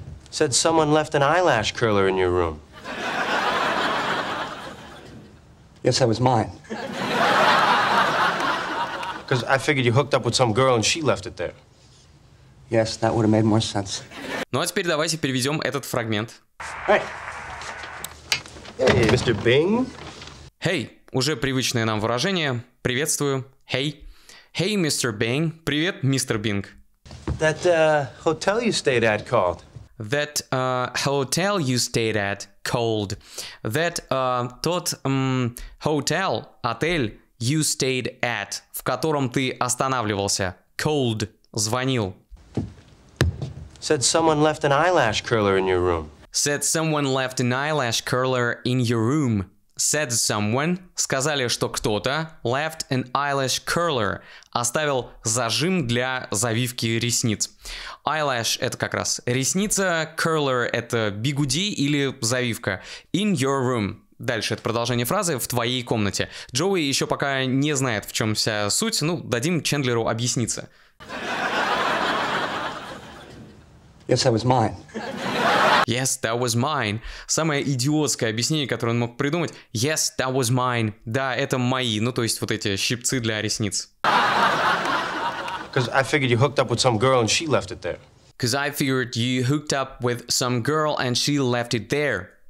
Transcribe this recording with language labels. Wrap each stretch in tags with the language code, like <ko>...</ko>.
<en>Said someone left an eyelash curler in your room. Yes, that was mine. Because I figured you hooked up with some girl and she left it there. Yes, that would have made more sense.</en> <ru>Ну а теперь давайте переведем этот фрагмент.</ru> <en>Hey. Hey, Mr. Bing.</en> <ru>Hey, уже привычное нам выражение. Приветствую.</ru> <en>Hey. Hey, Mr. Bing.</en> <ru>Привет, мистер Бинг.</ru> <en>That hotel you stayed at called. That hotel you stayed at called. That</en> <ru>тот</ru> <en>hotel,</en> <ru>отель</ru> <en>you stayed at,</en> <ru>в котором ты останавливался.</ru> <en>Called.</en> <ru>Звонил.</ru> <en>Said someone left an eyelash curler in your room. Said someone left an eyelash curler in your room. Said someone.</en> <ru>Сказали, что кто-то</ru> <en>left an eyelash curler.</en> <ru>Оставил зажим для завивки ресниц. Eyelash — это как раз ресница. Curler — это бигуди или завивка.</ru> <en>In your room.</en> <ru>Дальше это продолжение фразы «в твоей комнате». Джоуи еще пока не знает, в чем вся суть. Ну, дадим Чендлеру объясниться.</ru> <en>Yes, that was mine. Yes, that was mine.</en> <ru>Самое идиотское объяснение, которое он мог придумать.</ru> <en>Yes, that was mine.</en> <ru>Да, это мои. Ну, то есть вот эти щипцы для ресниц.</ru> <en>Because I figured you hooked up with some girl and she left it there. Because I figured you hooked up with some girl and she left it there.</en>